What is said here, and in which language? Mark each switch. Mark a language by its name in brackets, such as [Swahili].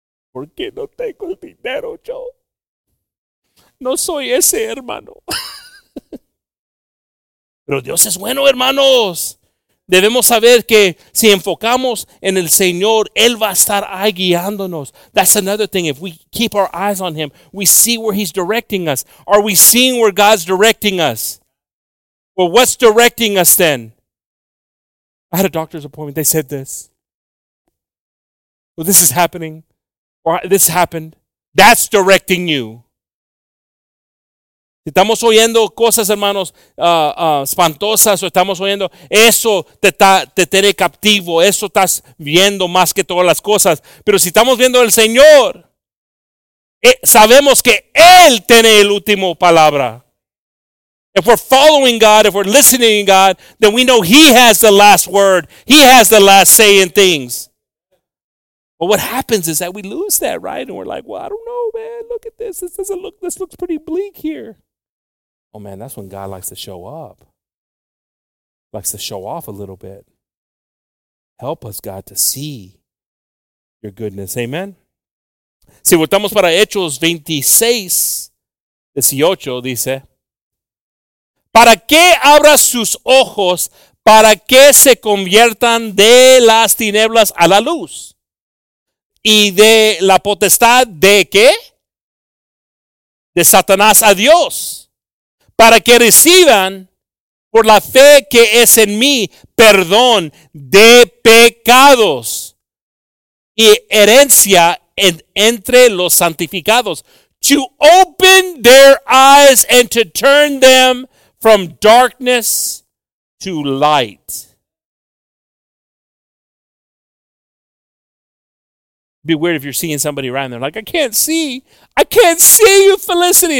[Spanish] ¿Por qué no tengo el dinero, Joe? No soy ese hermano. Pero Dios es bueno, hermanos. Debemos saber que si enfocamos en el Señor, Él va a estar ahí guiándonos. [English] That's another thing. If we keep our eyes on Him, we see where He's directing us. Are we seeing where God's directing us? Well, what's directing us then? I had a doctor's appointment. They said this. Well, this is happening. Or this happened. That's directing you. [Spanish] Estamos oyendo cosas, hermanos, espantosas, o estamos oyendo, eso te tiene captivo, eso estás viendo más que todas las cosas. Pero si estamos viendo al Señor, sabemos que Él tiene el último palabra. [English] If we're following God, if we're listening to God, then we know He has the last word. He has the last say in things. But what happens is that we lose that, right? And we're like, well, I don't know, man, look at this. This looks pretty bleak here. Oh man, that's when God likes to show up. Likes to show off a little bit. Help us, God, to see your goodness. Amen. [Spanish] Si votamos para Hechos 26, 18, dice, ¿para qué abra sus ojos para que se conviertan de las tinieblas a la luz? ¿Y de la potestad de qué? De Satanás a Dios. Para que reciban por la fe que es en mí perdón de pecados y herencia entre los santificados. [English] To open their eyes and to turn them from darkness to light. Be weird if you're seeing somebody around there like, I can't see. I can't see you, Felicity.